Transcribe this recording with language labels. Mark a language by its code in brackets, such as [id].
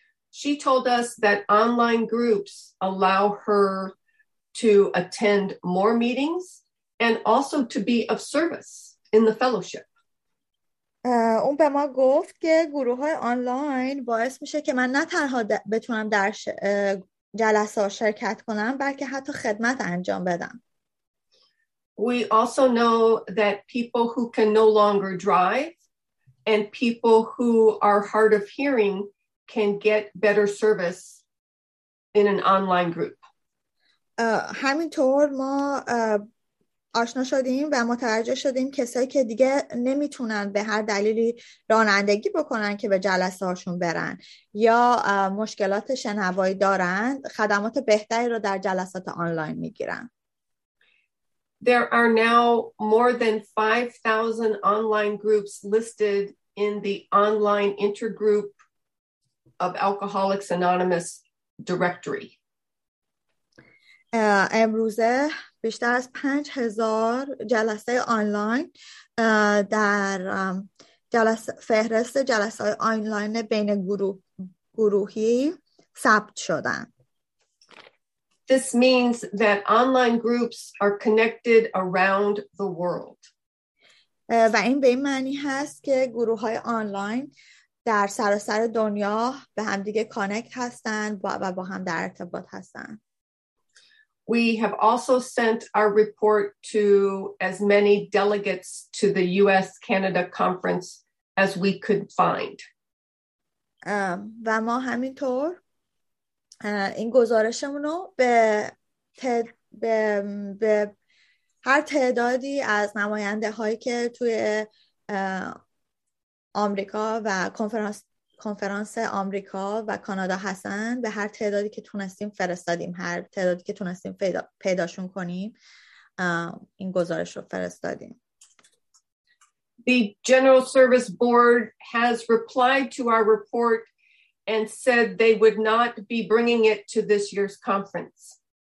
[en] She told us that online groups allow her to attend more meetings and also to be of service in the fellowship. [fa] اون به ما گفت که گروه های آنلاین باعث میشه که من نه تنها بتونم در جلسه شرکت کنم بلکه حتی خدمت انجام بدم. [en] We also know that people who can no longer drive and people who are hard of hearing can get better service in an online group. [fa] همینطور ما آشنا شدیم و متوجه شدیم کسایی که دیگه نمیتونن به هر دلیلی رانندگی بکنن که به جلسه هاشون برن یا مشکلات شنوایی دارن، خدمات بهتری رو در جلسات آنلاین میگیرن. [en] There are now more than 5,000 online groups listed in the online intergroup of Alcoholics Anonymous directory. [fa] امروزه بیشتر از 5,000 جلسه آنلاین در فهرست جلسه آنلاین بین گروهی ثبت شدن. [en] This means that online groups are connected around the world. [fa] و این به این معنی هست که گروه های آنلاین در سراسر دنیا به هم دیگه کانکت هستن و با هم در ارتباط هستن. [en] We have also sent our report to as many delegates to the US-Canada conference as we could find. [fa] و ما همینطور این گزارشمونو به هر تعدادی از نماینده هایی که توی آمریکا و کنفرانس آمریکا و کانادا هستن، به هر تعدادی که تونستیم فرستادیم، هر تعدادی که تونستیم پیداشون کنیم، این گزارش رو فرستادیم. [en] The General Service Board has replied to our report and said they would not be bringing it to this year's conference.